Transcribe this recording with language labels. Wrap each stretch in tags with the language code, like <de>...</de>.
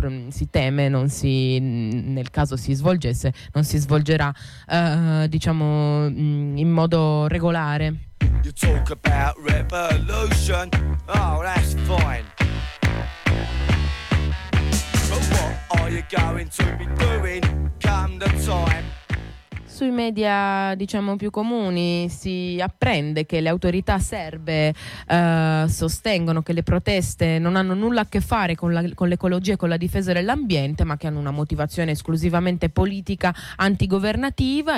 <it>si teme non si, nel caso si svolgesse, non si svolgerà diciamo in modo regolare.</it> <en>You talk about revolution. Oh, that's fine. But what are you going to be doing come the time?</en> <it>Sui media, diciamo, più comuni si apprende che le autorità serbe sostengono che le proteste non hanno nulla a che fare con l'ecologia e con la difesa dell'ambiente, ma che hanno una motivazione esclusivamente politica antigovernativa.</it>